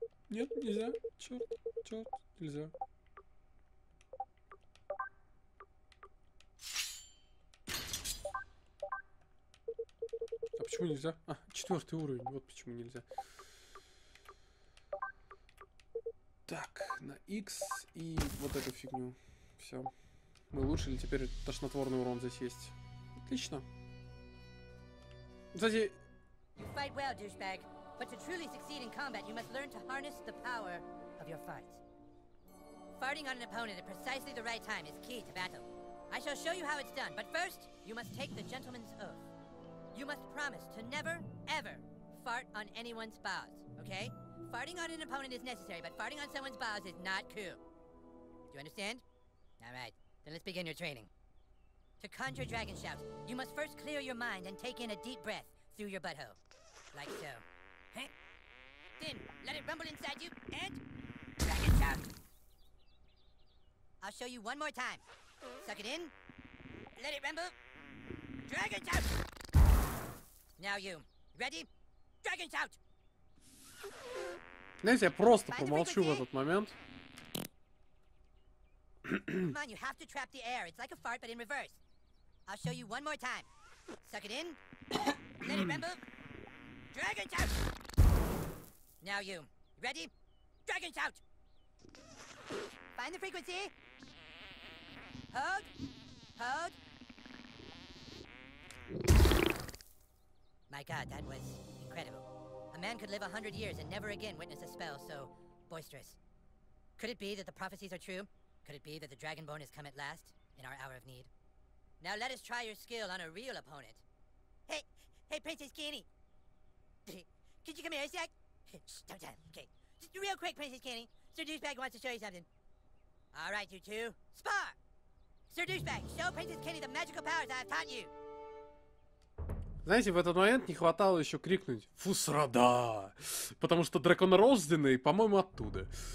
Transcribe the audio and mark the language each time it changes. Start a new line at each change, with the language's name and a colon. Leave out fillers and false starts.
Russian: Нет, нельзя. Черт, черт, нельзя. А почему нельзя? А, четвертый уровень, вот почему нельзя. Так, на X и вот эту фигню. Все. Мы улучшили, теперь тошнотворный урон здесь есть. Отлично. Кстати...
English: You fight well, douchebag. But to truly succeed in combat, you must learn to harness the power of your farts. Farting on an opponent at precisely the right time is key to battle. I shall show you how it's done, but first, you must take the gentleman's oath. You must promise to never, ever fart on anyone's balls, okay? Farting on an opponent is necessary, but farting on someone's balls is not cool. Do you understand? All right, then let's begin your training. To conjure dragon shouts, you must first clear your mind and take in a deep breath. Through your butthole. Like so. Then, let it rumble inside you, and... Dragon shout! I'll show you one more time. Suck it in. Let it rumble. Dragon shout! Now you. Ready? Dragon shout!
Russian: Знаете, я просто помолчу в этот момент.
English: Come on, you have to trap the air. It's like a fart, but in reverse. I'll show you one more time. Suck it in. Let it rumble. Dragon shout! Now you. Ready? Dragon shout! Find the frequency. Hold. Hold. My god, that was incredible. A man could live 100 years and never again witness a spell so boisterous. Could it be that the prophecies are true? Could it be that the Dragonborn has come at last in our hour of need? Now let us try your skill on a real opponent. Hey, hey, Princess Candy. Could you come here a sec? Shh, don't tell him. Okay. Just real quick, Princess Candy. Sir Douchebag wants to show you something. All right, you two. Spar! Sir Douchebag, show Princess Candy the magical powers I have taught you.
Russian: Знаете, в этот момент не хватало еще крикнуть «Фусрада!» Потому что драконорожденный, по-моему, оттуда.